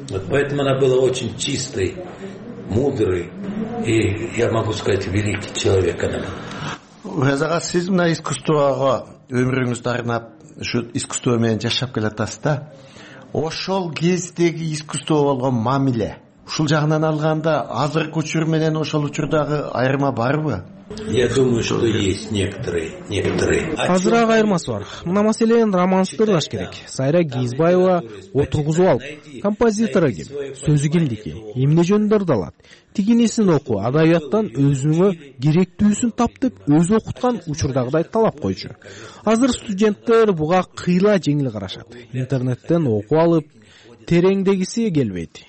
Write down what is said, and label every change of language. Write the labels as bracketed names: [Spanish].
[Russian] Поэтому она была очень чистой, мудрой и, я могу сказать, великий человек она была. [Kyrgyz] Уразага сиз мына искусствого өмүрүңүздү арнап ушу искусство менен жашап келатасыз да. Ошол кездеги искусство болгон мамиле. Ушул жагынан алганда азыркы учур менен ошол учурдагы айырма барбы? [Russian] Я думаю, что есть некоторые. [Kyrgyz] Азыраак айырмасы бар. Мына маселени романтиктеш керек. Сайра Кизбаева отургузуп алып, композитор ким, сөзү кимдики, эмне жөнүндө алат, тигинисин окуу, адабияттан өзүңө керектүүсүн тап деп өзү окуткан учурдагыдай талап койчу. Азыр студенттер буга кыйла жеңил карашат. Интернеттен окуп алып, тереңдегиси келбейт.